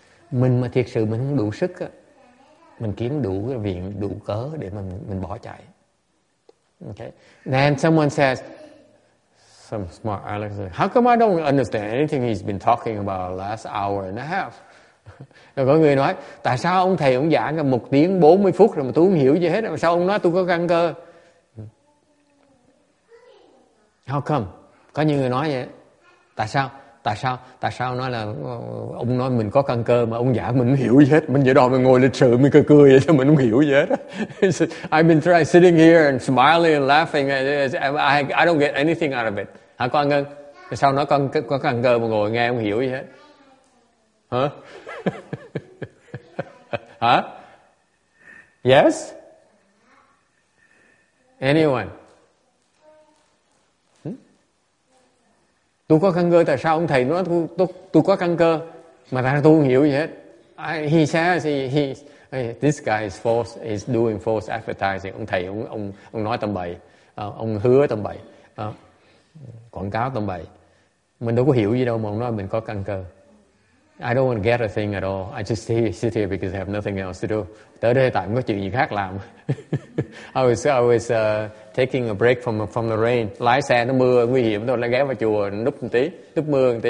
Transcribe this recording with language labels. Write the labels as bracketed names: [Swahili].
[Vietnamese] Mình mà thiệt sự mình không đủ sức á, mình kiếm đủ cái viện, đủ cớ để mà mình bỏ chạy. [English] Okay. Then someone says, some smart Alex, how come I don't understand anything he's been talking about last hour and a half? [Vietnamese] Rồi có người nói, tại sao ông thầy ông giảng 1 tiếng 40 phút rồi mà tôi không hiểu gì hết, sao ông nói tôi có căn cơ? [English] How come? [Vietnamese] Có nhiều người nói vậy. Tại sao nói là ông nói mình có căn cơ mà ông giảng mình không hiểu gì hết, mình giờ đó mình ngồi lịch sự mình cười vậy cho mình không hiểu gì hết. [English] I've been trying sitting here and smiling and laughing and I don't get anything out of it. [Vietnamese] Hả con Ngân? Tại sao nói con có căn cơ mà ngồi nghe không hiểu gì hết? Hả? [English] Hả? Yes? Anyone? [Vietnamese] Tôi có căn cơ, tại sao ông thầy nói tôi có căn cơ mà tại sao tôi không hiểu gì hết? [English] This guy is false, is doing false advertising. [Vietnamese] Ông thầy ông nói tầm bậy, ông hứa tầm bậy, quảng cáo tầm bậy. Mình đâu có hiểu gì đâu mà ông nói mình có căn cơ. [English] I don't want to get a thing at all. I just sit here because I have nothing else to do. [Vietnamese] Tới đây tại không có chuyện gì khác làm. [English] I was taking a break from the rain. [Vietnamese] Lái xe nó mưa nguy hiểm, tôi lại ghé vào chùa núp một tí, núp mưa một tí.